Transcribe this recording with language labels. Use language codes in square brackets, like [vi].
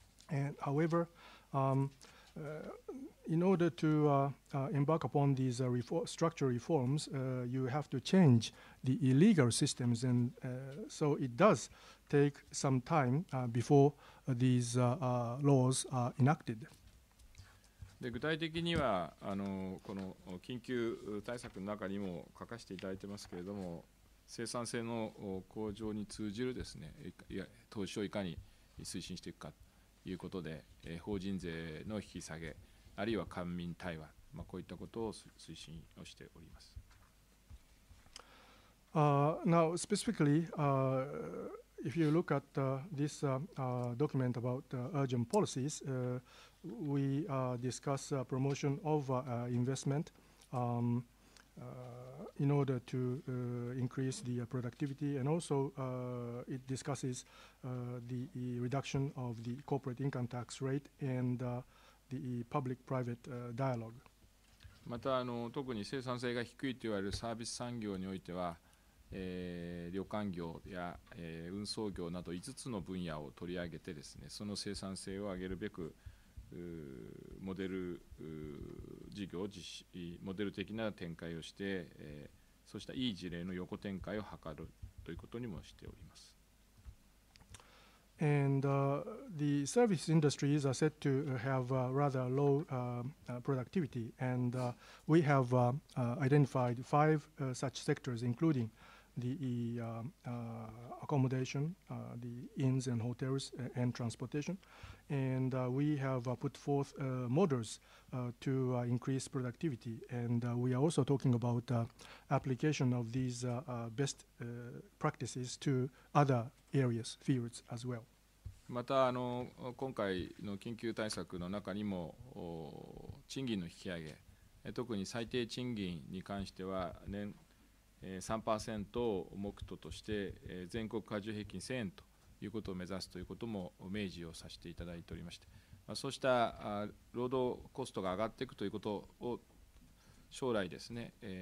[en] And however, in order to embark upon these structural reforms, you have to change the illegal systems, and so it does take some time before these laws are enacted. [ja] で、具体的にはこの緊急対策の中にも書かせていただいてますけれども、生産性の向上に通じるですね、投資をいかに推進していくか。ということで、法人税の引き下げ、あるいは官民対話、こういったことを推進をしております。 [en] Now, specifically, if you look at this document about urgent policies, we discuss promotion of investment in order to increase the productivity, and also it discusses the reduction of the corporate income tax rate and the public-private dialogue. [ja] また特に生産性が低いといわれるサービス産業においては、旅館業や、運送業など5つの分野を取り上げてですね、その生産性を上げるべく、モデル事業を実施、モデル的な展開をして、そうしたいい事例の横展開を図るということにもしております。 [en] And the service industries are said to have rather low productivity, and we have identified five such sectors, including the accommodation, the inns and hotels, and transportation. And we have put forth models to increase productivity. And we are also talking about application of these best practices to other areas, fields as well. [ja] また今回の緊急対策の中にも賃金の引き上げ、特に最低賃金に関しては年 3% を目途として全国加重平均1000円ということを目指すということも明示をさせていただいておりまして、そうした労働コストが上がっていくということを将来ですね